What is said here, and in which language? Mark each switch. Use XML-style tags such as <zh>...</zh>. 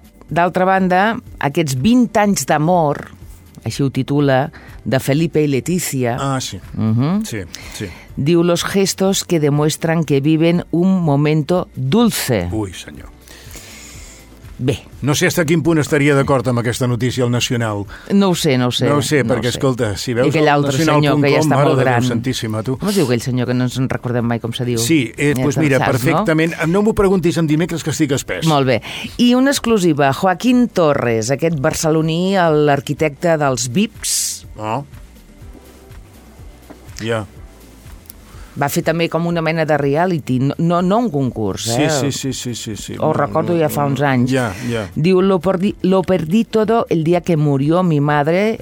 <ca>D'altra banda, aquests 20 anys d'amor... Així ho titula, de Felipe i Letícia. Ah, sí. Uh-huh. Sí, sí.</ca> <es>Diu, los gestos que demuestran que viven un momento dulce.</es> <ca>Ui, senyor. Bé. No sé fins a quin punt estaria d'acord amb aquesta notícia al Nacional. No ho sé, no ho sé. No ho sé, perquè, no ho sé. Escolta, si veus el Nacional.com, que ja està molt gran. Santíssima, tu. Com es diu aquell senyor que no ens en recordem mai com se diu? Sí, doncs ja pues mira, saps, perfectament. No m'ho preguntis en dimecres, que estic espès. Molt bé. I una exclusiva. Joaquín Torres, aquest barceloní, l'arquitecte dels VIPs. Oh. Ja. Va fer també com una mena de reality, no un concurs, eh? Sí. Ho recordo ja fa uns anys. Ja, yeah, ja. Yeah.</ca> <es>Diu, lo perdí todo el día que murió mi madre.</es>